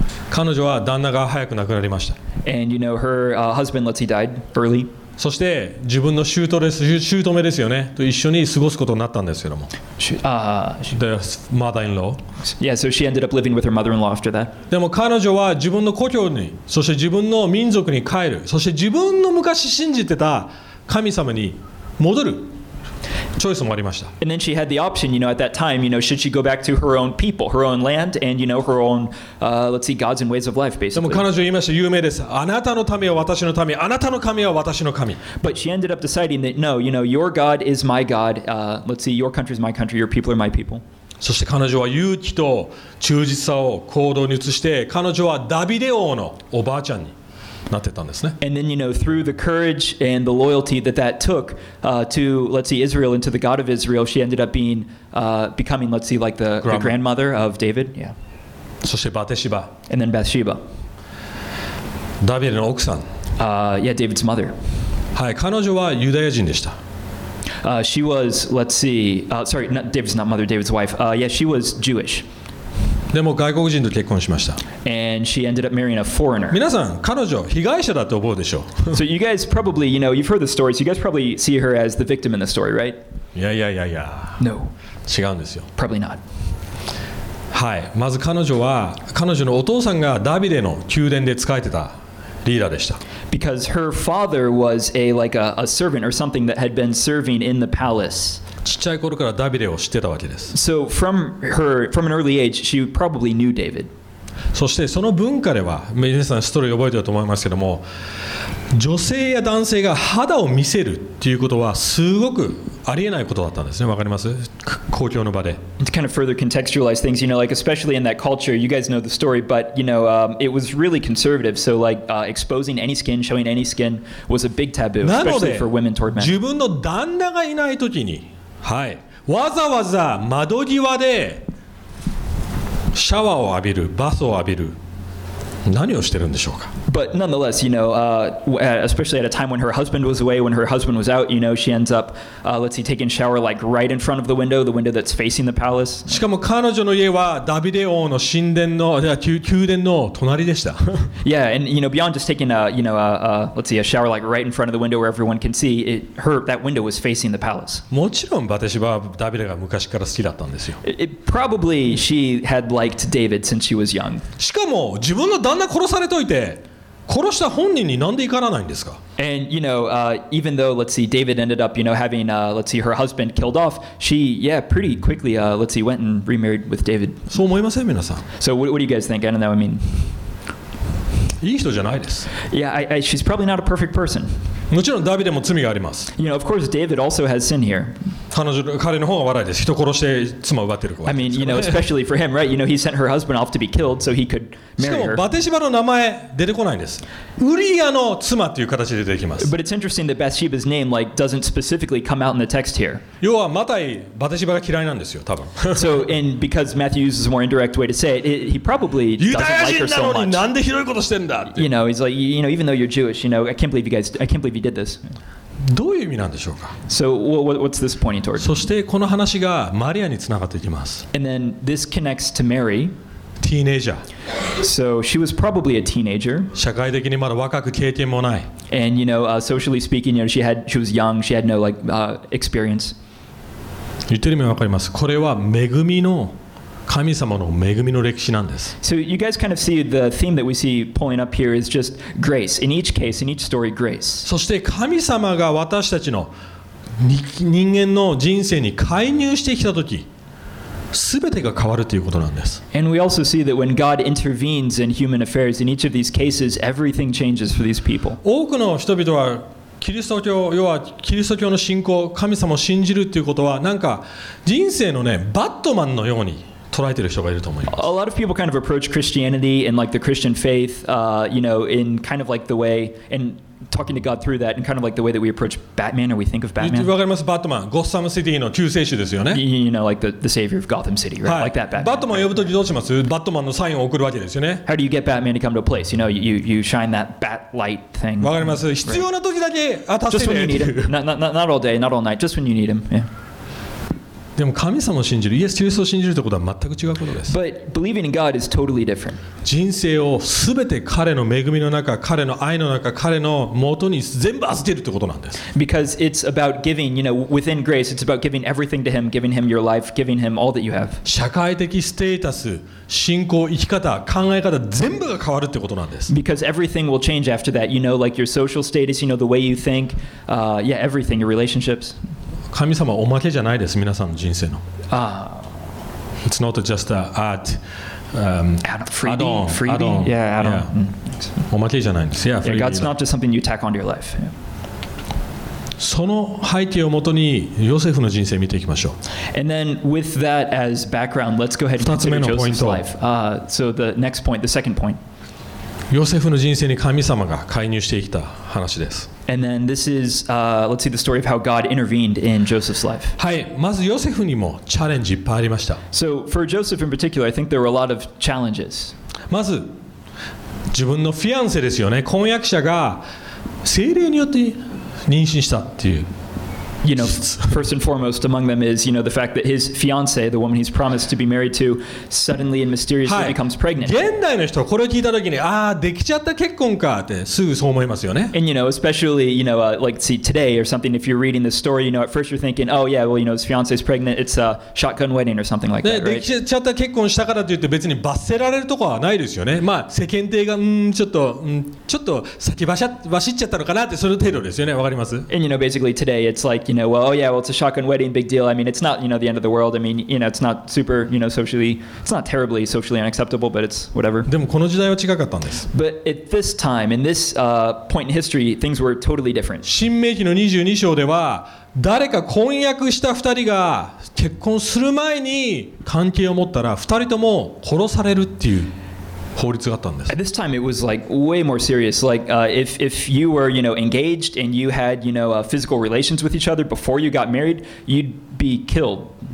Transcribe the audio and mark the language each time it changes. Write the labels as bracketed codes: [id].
[ja] 彼女は旦那が早く亡くなりました。 [en] And you know, her husband, let's see, died early. [ja] そして自分の姑です、姑ですよね、と一緒に過ごすことになったんですけども。 [en] The mother-in-law. Yeah, so she ended up living with her mother-in-law after that. [ja] でも彼女は自分の故郷に、そして自分の民族に帰る、そして自分の昔信じてた神様に戻る。 [en] And then she had the option, you know, at that time, you know, should she go back to her own people, her own land, and you know, her own, let's see, gods and ways of life, basically. But she ended up deciding that no, you know, your God is my God. Let's see, your country is my country, your people are my people. [ja] そして彼女は勇気と忠実さを行動に移して、彼女はダビデ王のおばあちゃんに。 [en] And then, you know, through the courage and the loyalty that that took to, let's see, Israel and to the God of Israel, she ended up being, becoming, let's see, like the grandmother of David. Yeah. [ja] そしてバテシバ。 [en] And then Bathsheba. [ja] ダビデの奥さん。 [en] Yeah, David's mother. [ja] はい、彼女はユダヤ人でした。 [en] She was, let's see, sorry, not David's not mother, David's wife. Yeah, she was Jewish. [ja] でも外国人と結婚しました。 [en] And she ended up marrying a foreigner. [ja] 皆さん、彼女、被害者だと思うでしょう。 [en] So you guys probably, you know, you've heard the story, so you guys probably see her as the victim in the story, right? [ja] いや。 [en] No. [ja] 違うんですよ。 [en] Probably not. [ja] はい。まず彼女は、彼女のお父さんがダビデの宮殿で仕えてたリーダーでした。 [en] Because her father was a, like a servant or something that had been serving in the palace. [ja] ちっちゃい頃からダビデを知ってたわけです。 [en] So from her, from an early age, she probably knew David. [ja] そしてその文化では、皆さんストーリー覚えてると思いますけども、女性や男性が肌を見せるっていうことはすごくありえないことだったんですね。わかります？公共の場で。 [en] To kind of further contextualize things, you know, like especially in that culture, you guys know the story, but you know, it was really conservative. So like, exposing any skin, showing any skin was a big taboo, especially for women toward men. [ja] 自分の旦那がいないときに。はい、わざわざ窓際でシャワーを浴びる、バスを浴びる、何をしてるんでしょうか。 [en] But nonetheless, you know, especially at a time when her husband was away, when her husband was out, you know, she ends up, let's see, taking shower like right in front of the window that's facing the palace. [ja] しかも彼女の家はダビデ王の神殿の、宮殿の隣でした。 [en] Yeah, and you know, beyond just taking a, you know, let's see, a shower like right in front of the window where everyone can see, it, her, that window was facing the palace. [ja] もちろんバテシバはダビデが昔から好きだったんですよ。 [en] It, probably she had liked David since she was young. [ja] しかも自分の旦那殺されといて、殺した本人になんで怒らないんですか。 [en] And you know, even though let's see, David ended up, you know, having let's see, her husband killed off, she, yeah, pretty quickly, let's see, went and remarried with David. [ja] そう思いません、皆さん。 [en] So what do you guys think? I don't know. I mean, [ja] いい人じゃないです。 [en] Yeah, I, she's probably not a perfect person. [ja] もちろんダビデも罪があります。 [en] You know, of course, David also has sin here. [ja] 彼の方が悪いです。人殺して妻を奪ってるから [en] 。I mean, you know, especially for him, right? You know, he sent her husband off to be killed so he could. [ja] しかもバテシバの名前出てこないんです。ウリアの妻っていう形で出てきます。 [en] But it's interesting that Bathsheba's name like doesn't specifically come out in the text here. [ja] 要はマタイバテシバが嫌いなんですよ、多分。 [en] So and because Matthew uses a more indirect way to say it, he probably doesn't like her so much. [ja] ユダヤ人なのになんでひどいことしてんだって [en] 。You know, he's like, you know, even though you're Jewish, you know, I can't believe you guys, I can't believe you did this. [ja] どういう意味なんでしょうか。 [en] So, what's this pointing towards? [ja] そしてこの話がマリアにつながっていきます。 [en] And then this connects to Mary. Teenager. So she was probably a teenager. [ja] 社会的にまだ若く経験もない。 [en] And you know, socially speaking, you know, she was young, she had no like, experience. [ja] 言ってる意味わかります。これは恵みの、神様の恵みの歴史なんです。 [en] So you guys kind of see the theme that we see pulling up here is just grace. In each case, in each story, grace. [ja] そして神様が私たちの人間の人生に介入してきたとき、全てが変わるということなんです。 [en] And we also see that when God intervenes in human affairs, in each of these cases, everything changes for these people. [ja] 多くの人々はキリスト教、要はキリスト教の信仰、神様を信じるということは、なんか人生のね、バットマンのように捉えてる人がいると思います。 [en] A lot of people kind of approach Christianity and like the Christian faith, you know, in kind of like the way, and talking to God through that, and kind of like the way that we approach Batman or we think of Batman. [ja] わかります、バットマン、ゴッサムシティの救世主ですよね。 [en] You know, like the savior of Gotham City, right?、 [ja] はい、 [en] like that Batman. [ja] バットマン呼ぶときどうします？バットマンのサインを送るわけですよね。 [en] How do you get Batman to come to a place? You know, you shine that bat light thing. [ja] わかります。必要なときだけ、助けて。 [en] Just when you need him. not all day, not all night, just when you need him, yeah. [ja] でも神様を信じる、イエス・キリストを信じるということは全く違うことです。 [en] But believing in God is totally different. [ja] 人生を全て彼の恵みの中、彼の愛の中、彼の元に全部預けるということなんです。 [en] Because it's about giving, you know, within grace, it's about giving everything to Him, giving Him your life, giving Him all that you have. [ja] 社会的ステータス、信仰、生き方、考え方、全部が変わるということなんです。 [en] Because everything will change after that, you know, like your social status, you know, the way you think, yeah, everything, your relationships. [ja] 神様はおまけじゃないです、皆さんの人生の。 Ah. [en] It's not just add-on. Freebie? Add-on. Yeah, add-on. Yeah. [ja] おまけじゃないんです。 [en] Yeah, God's not just something you tack onto your life. [ja] その背景をもとに、ヨセフの人生を見ていきましょう。 [en] And then with that as background, let's go ahead and consider Joseph's life. So the next point, the second point. [ja] ヨセフの人生に神様が介入してきた話です。 [en] And then this is, let's see the story of how God intervened in Joseph's life. [ja] はい、まずヨセフにもチャレンジいっぱいありました。 [en] So for Joseph in particular, I think there were a lot of challenges. [ja] まず、自分のフィアンセですよね。婚約者が聖霊によって妊娠したっていう。 [en] You know, first and foremost among them is, you know, the fact that his fiance, the woman he's promised to be married to, suddenly and mysteriously、 [ja] はい、 [en] becomes pregnant. [ja] 現代の人はこれを聞いた時に、ああ、できちゃった結婚かってすぐそう思いますよね。 [en] And you know, especially, you know, like see today or something, if you're reading this story, you know, at first you're thinking, oh yeah, well, you know, his fiance is pregnant, it's a shotgun wedding or something like that, right? [ja] できちゃった結婚したからといって別に罰せられるとこはないですよね。まあ世間体が、ちょっと先走っちゃったのかなってその程度ですよね。わかります？ [en] And you know, basically today it's likeYou know, well, oh yeah, well, it's a shotgun wedding, big deal. I mean, it's not, you know, the end of the world. I mean, you know, it's not super, you know, socially, it's not terribly socially unacceptable, but it's whatever. [ja] でもこの時代は違かったんです。 [en] But at this time, in this point in history, things were totally different. [ja] 新明記の22章では、誰か婚約した2人が結婚する前に関係を持ったら、2人とも殺されるっていう。 [en] At this time, it was like way more serious. Like, if you were, you know, engaged and you had, you know, physical relations with each other before you got married, you'd be killed.